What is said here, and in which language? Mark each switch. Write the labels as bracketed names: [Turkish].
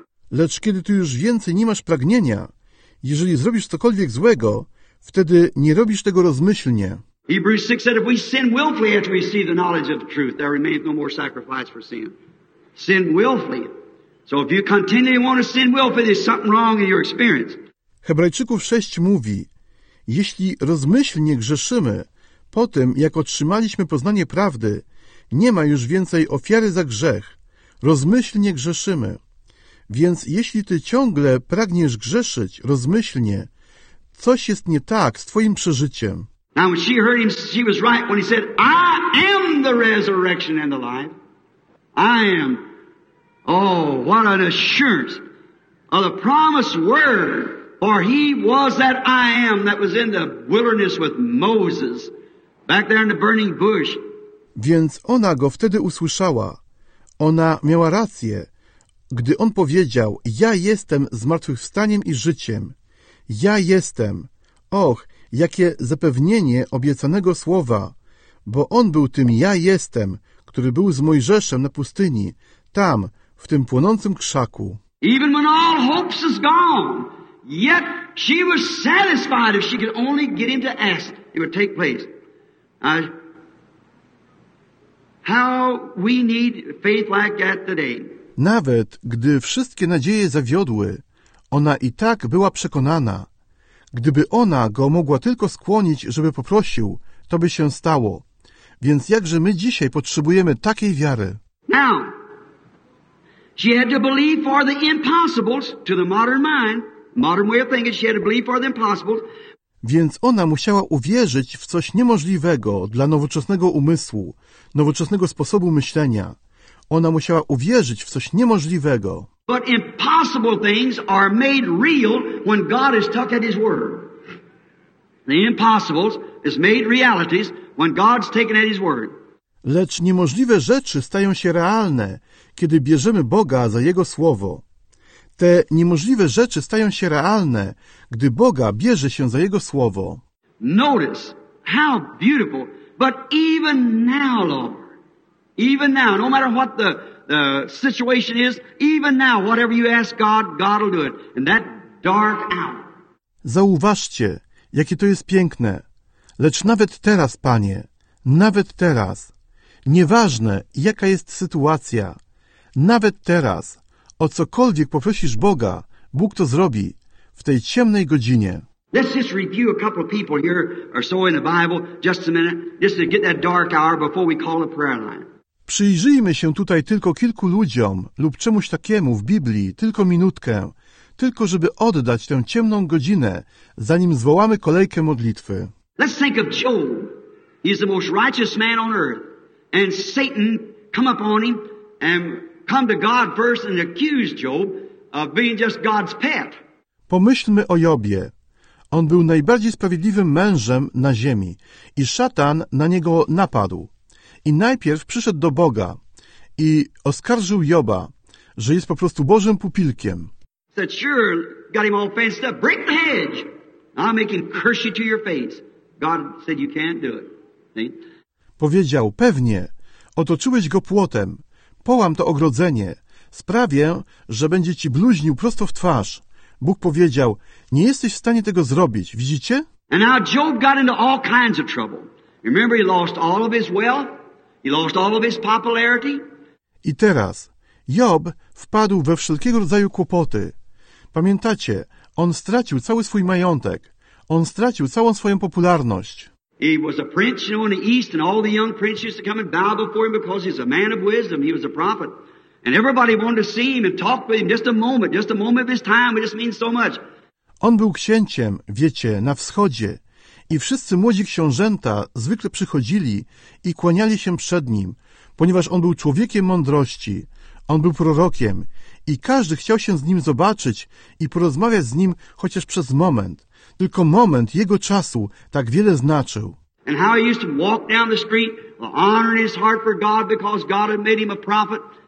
[Polish] Lecz kiedy ty już więcej nie masz pragnienia, jeżeli zrobisz cokolwiek złego, wtedy nie robisz tego rozmyślnie. [English] Hebrews 6 said, if we sin willfully after we receive the knowledge of the truth, there remains no more sacrifice for sin. Sin willfully. So if you continually want to sin willfully, there's something wrong in your experience. [Polish] Hebrajczyków 6 mówi, jeśli rozmyślnie grzeszymy, po tym jak otrzymaliśmy poznanie prawdy, nie ma już więcej ofiary za grzech. Rozmyślnie grzeszymy. Więc jeśli ty ciągle pragniesz grzeszyć rozmyślnie, coś jest nie tak z twoim przeżyciem. [English] Now when she heard him, she was right when he said, I am the resurrection and the life. I am. Oh, what an assurance of the promised word. For he was that I am that was in the wilderness with Moses, back there in the burning bush. [Polish] Więc ona go wtedy usłyszała. Ona miała rację, gdy on powiedział, ja jestem zmartwychwstaniem i życiem. Ja jestem. Och, jakie zapewnienie obiecanego słowa, bo on był tym ja jestem, który był z Mojżeszem na pustyni, tam, w tym płonącym krzaku. [English] Even when all hopes is gone, yet she was satisfied if she could only get him to ask, it would take place. How we need faith like that today. [Polish] Nawet gdy wszystkie nadzieje zawiodły, ona i tak była przekonana. Gdyby ona go mogła tylko skłonić, żeby poprosił, to by się stało. Więc jakże my dzisiaj potrzebujemy takiej wiary? [English] Now, she had to believe for the impossibles to the modern mind, modern way of thinking, she had to believe for the impossibles. [Polish] Więc ona musiała uwierzyć w coś niemożliwego dla nowoczesnego umysłu, nowoczesnego sposobu myślenia. Ona musiała uwierzyć w coś niemożliwego. [English] But impossible things are made real when God is stuck at His word. The impossibles is made realities when God's taken at His word. [Polish] Lecz niemożliwe rzeczy stają się realne, kiedy bierzemy Boga za Jego słowo. Te niemożliwe rzeczy stają się realne, gdy Boga bierze się za Jego słowo. [English] Notice how beautiful, but even now, Lord, even now, no matter what the situation is, even now, whatever you ask God, God will do it. In that dark hour. [Polish] Zauważcie, jakie to jest piękne. Lecz nawet teraz, Panie, nawet teraz, nieważne, jaka jest sytuacja, nawet teraz, o cokolwiek poprosisz Boga, Bóg to zrobi, w tej ciemnej godzinie. [English] Let's just review a couple of people here, or so in the Bible, just a minute, just to get that dark hour before we call the prayer line. [Polish] Przyjrzyjmy się tutaj tylko kilku ludziom lub czemuś takiemu w Biblii, tylko minutkę, tylko żeby oddać tę ciemną godzinę, zanim zwołamy kolejkę modlitwy. [English] Let's think of Job. He's the most righteous man on earth. And Satan come upon him and come to God first and accuse Job of being just God's pet. [Polish] Pomyślmy o Jobie. On był najbardziej sprawiedliwym mężem na ziemi i szatan na niego napadł. I najpierw przyszedł do Boga i oskarżył Joba, że jest po prostu Bożym pupilkiem. [English] Said, sure, got him all fenced up. Break the hedge. I'll make him curse you to your face. God said you can't do it. See? [Polish] Powiedział, pewnie. Otoczyłeś go płotem. Połam to ogrodzenie. Sprawię, że będzie ci bluźnił prosto w twarz. Bóg powiedział, nie jesteś w stanie tego zrobić. Widzicie? [English] And now Job got into all kinds of trouble. Remember, he lost all of his wealth. He lost all of his popularity. [Polish] I teraz Job wpadł we wszelkiego rodzaju kłopoty. Pamiętacie, on stracił cały swój majątek. On stracił całą swoją popularność. [English] He was a prince, you know, in the east, and all the young princes used to come and bow before him because he's a man of wisdom. He was a prophet. And everybody wanted to see him and talk with him just a moment of his time. It just means so much. [Polish] On był księciem, wiecie, na wschodzie. I wszyscy młodzi książęta zwykle przychodzili i kłaniali się przed nim, ponieważ on był człowiekiem mądrości. On był prorokiem i każdy chciał się z nim zobaczyć i porozmawiać z nim chociaż przez moment. Tylko moment jego czasu tak wiele znaczył. [English] And how he used to walk down the street, honoring his heart for God because God had made him a prophet.